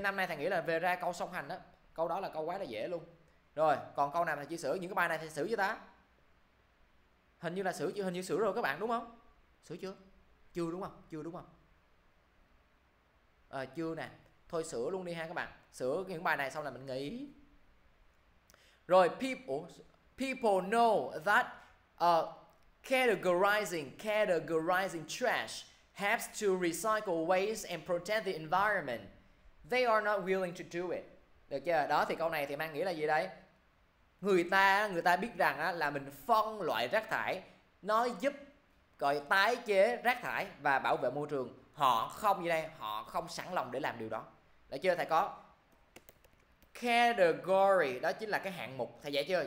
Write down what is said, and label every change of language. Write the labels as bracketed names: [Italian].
[Vietnamese] Năm nay thầy nghĩ là về ra câu song hành đó, câu đó là câu quá là dễ luôn. Rồi còn câu nào thầy chỉ sửa, những cái bài này thầy sửa cho ta, hình như là sửa chưa, hình như sửa rồi các bạn đúng không, sửa chưa, chưa đúng không, chưa đúng không? À, chưa nè, thôi sửa luôn đi ha các bạn, sửa những bài này xong là mình nghỉ. [English] Rồi people know that categorizing trash has to recycle waste and protect the environment. They are not willing to do it. Được chưa? [Vietnamese] Đó thì câu này thì mang nghĩa là gì đấy? Người ta biết rằng á, là mình phân loại rác thải nó giúp gọi tái chế rác thải và bảo vệ môi trường, họ không gì đây, họ không sẵn lòng để làm điều đó, đã chưa? Thầy có category, đó chính là cái hạng mục, thầy dạy chưa?